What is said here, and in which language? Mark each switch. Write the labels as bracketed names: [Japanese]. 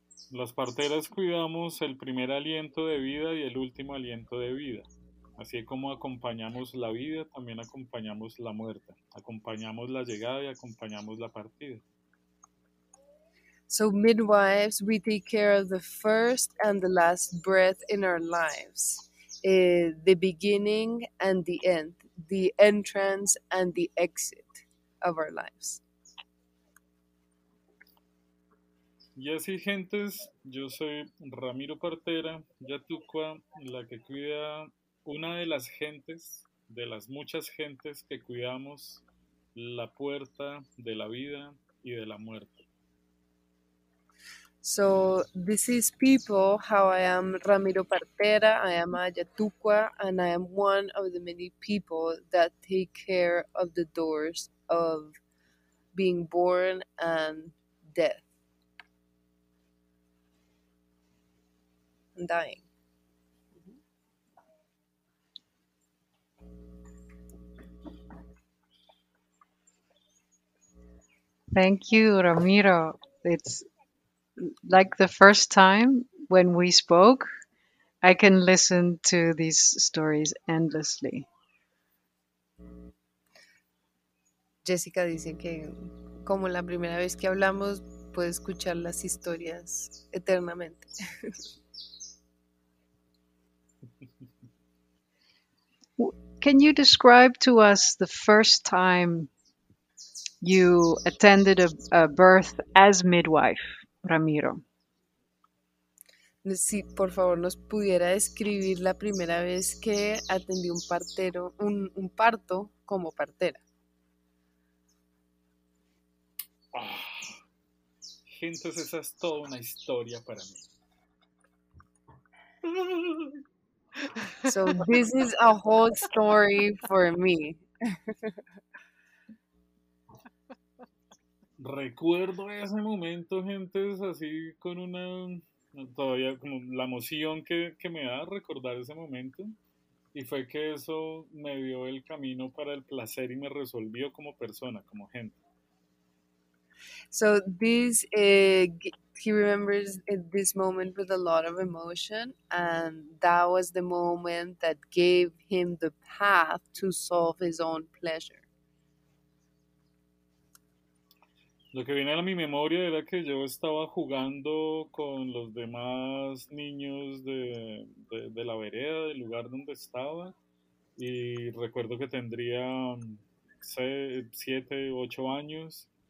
[Spanish] Las parteras cuidamos el primer aliento de vida y el último aliento de vida. Así como acompañamos la vida, también acompañamos la muerte. Acompañamos la llegada y acompañamos la partida. [English] So midwives, we take care of the first and the last breath in our lives, the beginning and the end, the entrance and the exit of our lives. [Spanish] Y así, gentes, yo soy Ramiro Partera, Yatuqua, la que cuida una de las gentes, de las muchas gentes que cuidamos la puerta de la vida y de la muerte. [English] So this is people, how I am Ramiro Partera, I am Ayatuqua, and I am one of the many people that take care of the doors of being born and death. And dying. Thank you, Ramiro. It's like the first time when we spoke, I can listen to these stories endlessly. [Spanish] Jessica dice que como la primera vez que hablamos, puede escuchar las historias eternamente. [English] Can you describe to us the first time you attended a birth as midwife, Ramiro? [Spanish] Si por favor nos pudiera describir la primera vez que atendí un partero, un parto como partera. Gentes, esa es toda una historia para mí. [English] So this is a whole story for me. [Spanish] Recuerdo ese momento, gentes, así con una todavía como la emoción que me da recordar ese momento, y fue que eso me dio el camino para el placer y me resolvió como persona, como gente. [English] So this he remembers this moment with a lot of emotion, and that was the moment that gave him the path to solve his own pleasure. [Spanish] Lo que viene a mi memoria era que yo estaba jugando con los demás niños de la vereda, del lugar donde estaba, y recuerdo que tendría 7, 8 años.